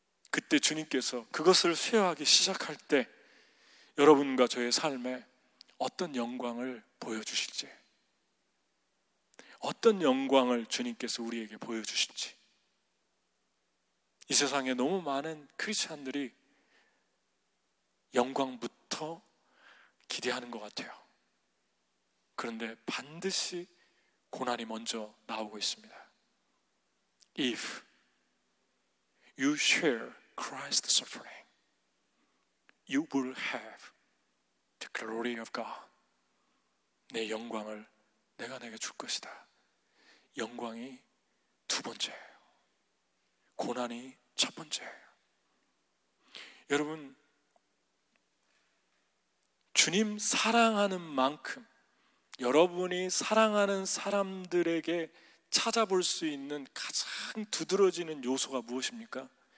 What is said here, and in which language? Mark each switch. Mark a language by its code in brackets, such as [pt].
[ko] 그때 주님께서 그것을 수여하기 시작할 때 여러분과 저의 삶에 어떤 영광을 보여주실지, 어떤 영광을 주님께서 우리에게 보여주실지. 이 세상에 너무 많은 크리스찬들이 영광부터 기대하는 것 같아요. 그런데 반드시 고난이 먼저 나오고 있습니다. [en] If you share Christ's suffering, you will have the glory of God. [ko] 내 영광을 내가 내게 줄 것이다. 영광이 두 번째예요. 고난이 첫 번째예요. 여러분, 주님 사랑하는 만큼 여러분이 사랑하는 사람들에게 찾아볼 수 있는 가장 두드러지는 요소가 무엇입니까?